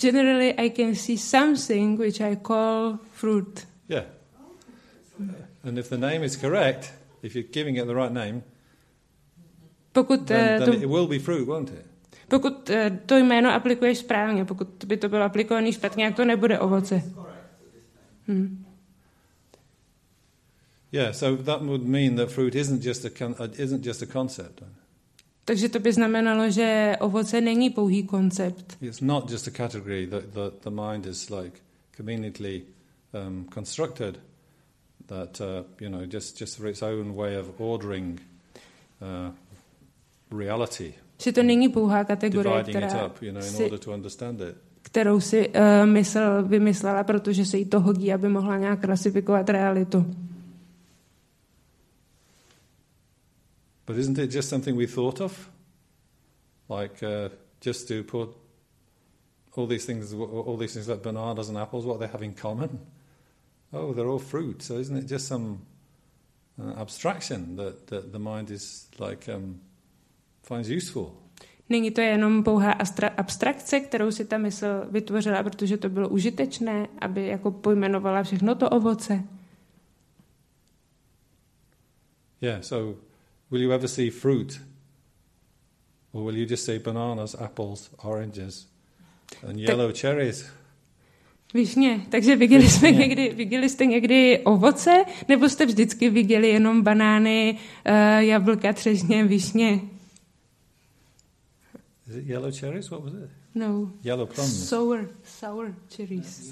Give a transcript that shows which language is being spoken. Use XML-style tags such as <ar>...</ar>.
<en>Generally, I can see something which I call fruit. Yeah. And if the name is correct, if you're giving it the right name, then it will be fruit, won't it?</en> <cs>Pokud to jméno aplikuješ správně, pokud by to bylo aplikované špatně, tak to nebude ovoce.</cs> <en>Yeah, so that would mean that fruit isn't just a concept.</en> <cs>Takže to by znamenalo, že ovoce není pouhý koncept.</cs> <en>It's not just a category that the mind is like conveniently constructed, that you know, just for its own way of ordering reality.</en> <cs>Že to není pouhá kategorie,</cs> <en>dividing it up, you know, in order to understand it.</en> <cs>Kterou si mysl vymyslela, protože se jí to hodí, aby mohla nějak klasifikovat realitu.</cs> <en>But isn't it just something we thought of? Like just to put all these things like bananas and apples, what they have in common? Oh, they're all fruit. So isn't it just some abstraction that the mind is like finds useful?</en> <cs>Není to jenom pouhá abstrakce, kterou si ta mysl vytvořila, protože to bylo užitečné, aby jako pojmenovala všechno to ovoce.</cs> <en>Yeah, so will you ever see fruit? Or will you just see bananas, apples, oranges and yellow cherries?</en> <cs>Višně, takže viděli jste někdy ovoce, nebo jste vždycky viděli jenom banány, jablka, třešně, višně?</cs> <en>Is it yellow cherries? What was it? No. Yellow plums. Sour cherries.</en>